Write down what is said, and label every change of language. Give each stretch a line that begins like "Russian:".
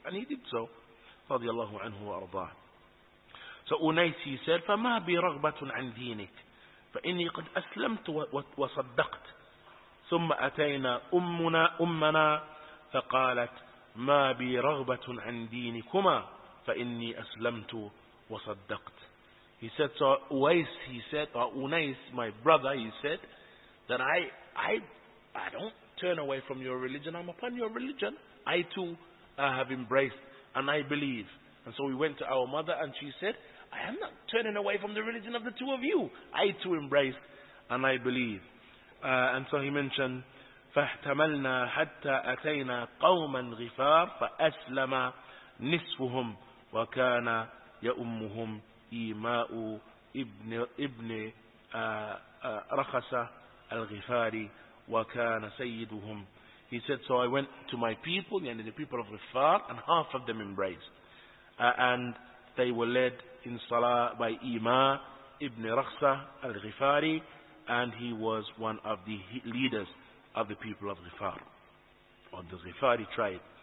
English: And he did so, رضي الله عنه وأرضاه. So Unais, he said,
Arabic: فَمَا بِرَغْبَةٌ عَنْ دِينِكَ فَإِنِّي قَدْ أَسْلَمْتُ وَصَدَّقْتُ ثُمَّ أَتَيْنَا أُمَّنَا فَقَالَتْ مَا بِرَغْبَةٌ عَنْ دِينِكُمَا فَإِنِّي أَسْلَمْتُ وَصَدَّقْتُ.
English: He said, so Unais, he said, or Unais, my brother, he said, that I don't turn away from your religion. I'm upon your religion. I too have embraced and I believe. And so we went to our mother and she said, I am not turning away from the religion of the two of you. I too embrace and I believe. And so he mentioned,
Arabic: فَاحْتَمَلْنَا حَتَّى أَتَيْنَا قَوْمًا غِفَارًا فَأَسْلَمَ نِصْفُهُمْ وَكَانَ يَأُمُّهُمْ إِيمَاءُ إِبْنِ رَخَسَ الْغِفَارِ وَكَانَ سَيِّدُهُمْ.
English: He said, so I went to my people, and the people of Ghifar, and half of them embraced. And they were led in Salah by Ima ibn Rakhsa al-Ghifari, and he was one of the leaders of the people of Ghifar, or the Ghifari tribe.